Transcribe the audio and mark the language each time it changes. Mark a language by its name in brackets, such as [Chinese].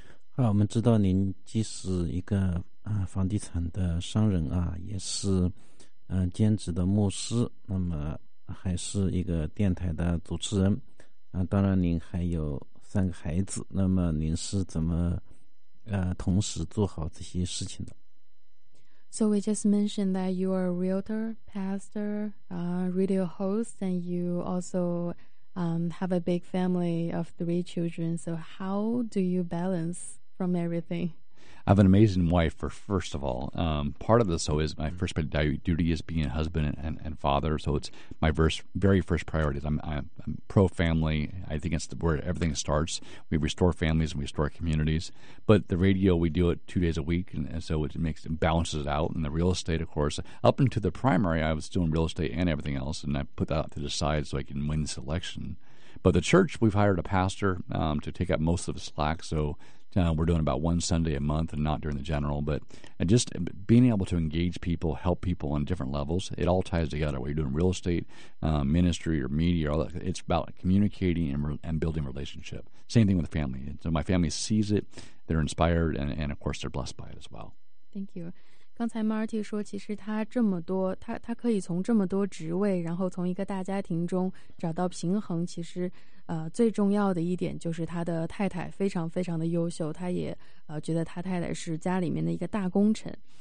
[Chinese] 好，我们知道您既是一个房地产的商人啊，也是兼职的牧师，那么还是一个电台的主持人当然您还有3个孩子，那么您是怎么同时做好这些事情的？ [English] So we just mentioned that you are a realtor, pastor, radio host, and you also have a big family of 3 children. So how do you balance from everything? I have an amazing wife, for first of all. Part of this, though, is my first duty is being a husband and father. So it's my very first priority. I'm pro-family. I think it's where everything starts. We restore families and we restore communities. But the radio, we do it 2 days a week, and so it makes it balances out. And the real estate, of course, up into the primary, I was doing real estate and everything else, and I put that to the side so I can win this election. But the church, we've hired a pastor to take up most of the slack, so we're doing about one Sunday a month and not during the general. But and just being able to engage people, help people on different levels, it all ties together. Whether you're doing real estate, ministry, or media, or all that, it's about communicating and building relationship. Same thing with the family. And so my family sees it, they're inspired, and of course they're blessed by it as well. Thank you. [Chinese] 刚才 Marty 说，其实他这么多，他可以从这么多职位，然后从一个大家庭中找到平衡。其实，最重要的一点就是他的太太非常非常的优秀，他也觉得他太太是家里面的一个大功臣。